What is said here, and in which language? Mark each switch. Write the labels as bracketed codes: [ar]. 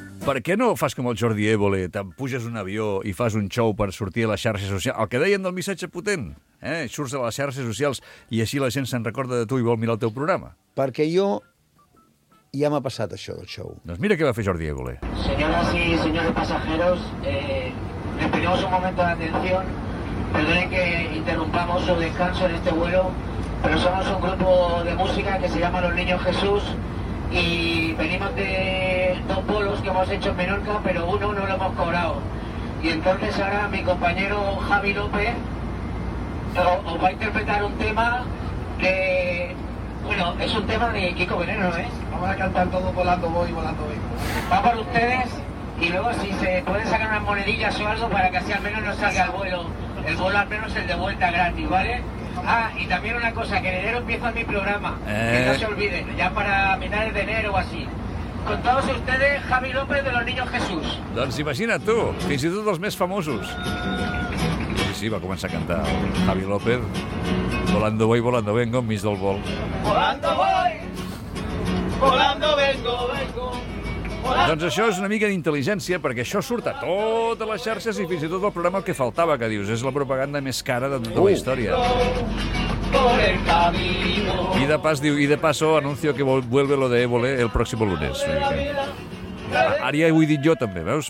[ca] Per què no fas com el Jordi Évole, te'n puges un avió i fas un show per sortir a les xarxes socials? El que deien del missatge potent, eh? Surts a les xarxes socials i així la gent se'n recorda de tu i vol mirar el teu programa. Perquè jo... Ja m'ha passat això del show. Doncs mira què va fer Jordi Évole. [es] Señoras y señores pasajeros, les pedimos un momento de atención. Perdone que interrumpamos su descanso en este vuelo, pero somos un grupo de música que se llama Los Niños Jesús. Y venimos de dos bolos que hemos hecho en Menorca, pero uno no lo hemos cobrado. Y entonces ahora mi compañero Javi López os va a interpretar un tema que... Bueno, es un tema de Kiko Veneno, ¿eh? Vamos a cantar todos Volando Voy, Volando Voy. Va por ustedes y luego si se pueden sacar unas monedillas o algo para que así al menos no salga el vuelo. El vuelo al menos el de vuelta gratis, ¿vale? Ah, y también una cosa, que en enero empieza mi programa, que no se olviden, ya para finales de enero o así. Con todos ustedes, Javi López de Los Niños Jesús. [ca] Doncs imagina't tu, fins i tot els més famosos. Sí, sí, va començar a cantar Javi López, Volando Voy, Volando Vengo, enmig del vol. [es] Volando voy, volando vengo. [ca] Doncs això és una mica d'intel·ligència, perquè això surt a totes les xarxes i fins i tot el programa El que faltava, que dius, és la propaganda més cara de tota la història. [es] por el camino. Y de paso, digo, y de paso anuncio que vuelve lo de Évole el próximo lunes. Haría hoy dicho yo también, [ca] ¿veus?